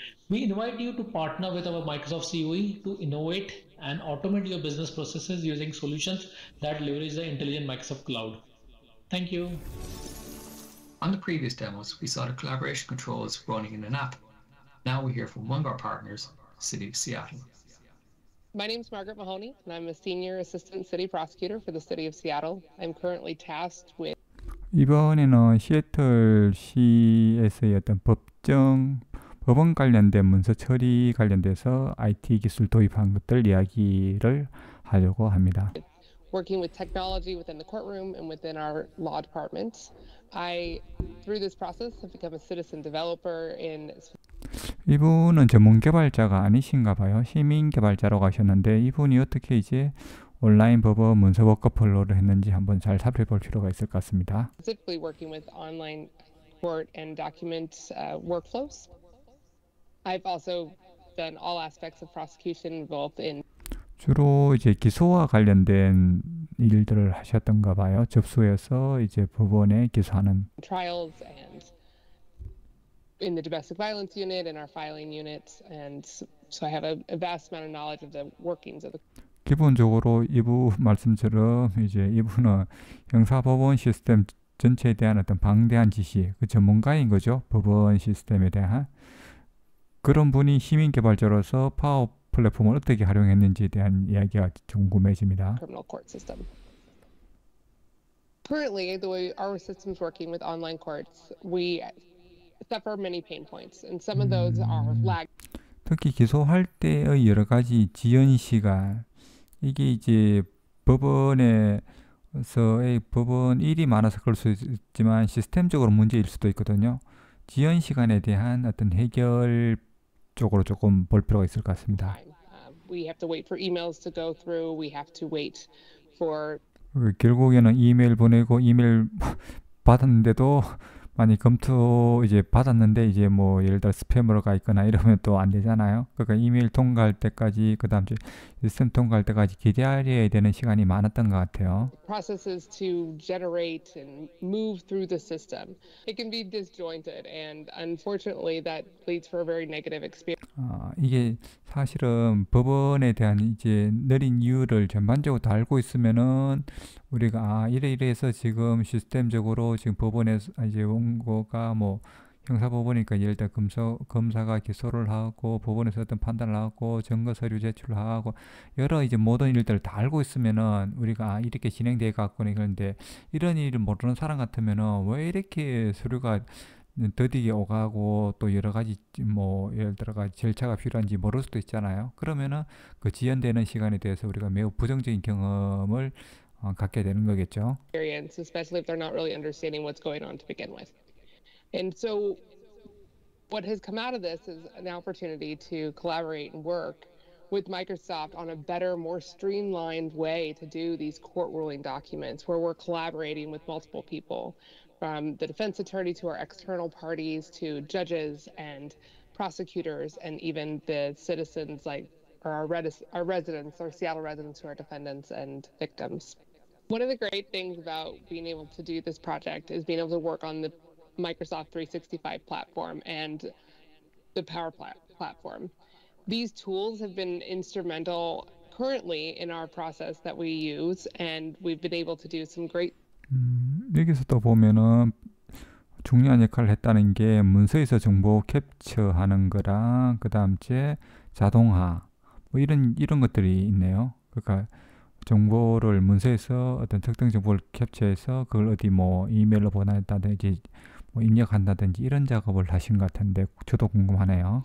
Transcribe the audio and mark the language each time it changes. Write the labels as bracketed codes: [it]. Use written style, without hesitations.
[en] We invite you to partner with our Microsoft COE to innovate and automate your business processes using solutions that leverage the intelligent Microsoft Cloud. Thank you. On the previous demos, we saw the collaboration controls running in an app. Now we hear from one of our partners, City of Seattle. My name is Margaret Mahoney, and I'm a senior assistant city prosecutor for the City of Seattle. I'm currently tasked with [ko] 이번에는 시애틀시에서의 어떤 법정 법원 관련된 문서 처리 관련돼서 IT 기술 도입한 것들 이야기를 하려고 합니다. [en] Working with technology within the courtroom and within our law department, I through this process have become a citizen developer in. [ko] 이분은 전문 개발자가 아니신가 봐요. 시민 개발자로 가셨는데 이분이 어떻게 이제 온라인 법원 문서 워크플로우를 했는지 한번 잘 살펴볼 필요가 있을 것 같습니다. [en] Specifically working with online court and document workflows. I've also done all aspects of prosecution involved in [ko] 주로 이제 기소와 관련된 일들을 하셨던가 봐요. 접수해서 이제 법원에 기소하는 [en] trials and in the domestic violence unit and our filing unit and so I have a vast amount of knowledge of the workings of the [ko] 기본적으로 이부 말씀처럼 이제 이분은 형사 법원 시스템 전체에 대한 어떤 방대한 지식, 그 전문가인 거죠. 법원 시스템에 대한 그런 분이 시민 개발자로서 파워 플랫폼을 어떻게 활용했는지에 대한 이야기가 궁금해집니다. [en] Criminal court system. Currently, the way our system is working with online courts, we suffer many pain points, and some of those are lag. [ko] 특히 기소할 때의 여러 가지 지연 시간, 이게 이제 법원에서의 법원 일이 많아서 그럴 수 있지만 시스템적으로 문제일 수도 있거든요. 지연 시간에 대한 어떤 해결 쪽으로 조금 볼 필요가 있을 것 같습니다. [en] We have to wait for emails to go through. We have to wait for [ko] 결국에는 이메일 보내고 이메일 받았는데도 많이 검토 이제 받았는데 이제 뭐 예를 들어 스팸으로가 있거나 이러면 또 안 되잖아요. 그러니까 이메일 통과할 때까지 그다음 주 시스템 통과할 때까지 기다려야 되는 시간이 많았던 것 같아요. [en] Processes to generate and move through the system. It can be disjointed and unfortunately that leads for a very negative experience. [ko] 이게 사실은 법원에 대한 이제 느린 이유를 전반적으로 다 알고 있으면은 우리가 이래이래해서 지금 시스템적으로 지금 법원에서 이제 원고가 뭐 형사법원이니까 예를 들어 검사가 기소를 하고 법원에서 어떤 판단을 하고 증거 서류 제출을 하고 여러 이제 모든 일들을 다 알고 있으면은 우리가 이렇게 진행돼 갖고는 그런데 이런 일을 모르는 사람 같으면은 왜 이렇게 서류가 더디게 오가고 또 여러 가지 뭐 예를 들어가 절차가 필요한지 모를 수도 있잖아요. 그러면은 그 지연되는 시간에 대해서 우리가 매우 부정적인 경험을 갖게 되는 거겠죠. [en] Especially if they're not really understanding what's going on to begin with. And so what has come out of this is an opportunity to collaborate and work with Microsoft on a better, more streamlined way to do these court ruling documents where we're collaborating with multiple people. From the defense attorney to our external parties to judges and prosecutors and even the citizens like our residents, our Seattle residents who are defendants and victims. One of the great things about being able to do this project is being able to work on the Microsoft 365 platform and the Power platform. These tools have been instrumental currently in our process that we use and we've been able to do some great [ko] 여기서 또 보면은 중요한 역할을 했다는 게 문서에서 정보 캡처하는 거랑 그 다음째 자동화 뭐 이런 것들이 있네요. 그러니까 정보를 문서에서 어떤 특정 정보를 캡처해서 그걸 어디 뭐 이메일로 보낸다든지 뭐 입력한다든지 이런 작업을 하신 것 같은데 저도 궁금하네요.